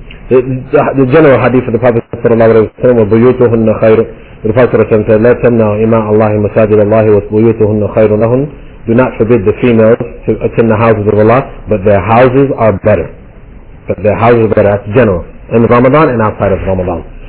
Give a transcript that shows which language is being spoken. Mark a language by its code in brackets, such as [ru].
[en] The general hadith of the Prophet sallallahu alaihi wasallam, [ar] وَبُيُوتُهُنَّ خَيْرٌ. [en] The Prophet sallallahu alaihi wasallam said, [ar] لَا تَمْنَعُ إِمَاءَ اللَّهِ مَسَاجِدَ اللَّهِ وَبُيُوتُهُنَّ خَيْرٌ لَهُنَّ. [en] Do not forbid the females to attend the houses of Allah, but their houses are better. But their houses are better, that's general, in Ramadan and outside of Ramadan.